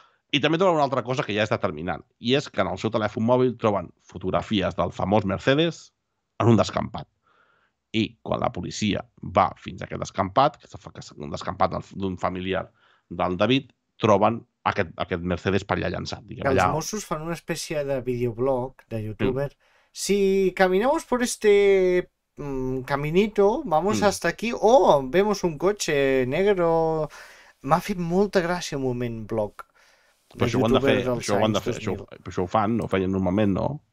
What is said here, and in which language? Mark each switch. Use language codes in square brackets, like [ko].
[ca] I també troben una altra cosa que ja és determinant, i és que en el seu telèfon mòbil troben fotografies del famós Mercedes en un descampat. I quan la policia va fins a aquest descampat, que és un descampat d'un familiar del David, troben aquest Mercedes per allà llançat. Diguem, els Mossos fan una espècie de videoblog de youtuber. Mm. [es] Si caminamos por este caminito, vamos hasta aquí, o vemos un [ca] cotxe [es] negro. [ca] M'ha fet molta gràcia un moment blog de youtuber dels anys 2000. Això ho han de fer, això ho fan, no ho feien normalment, no?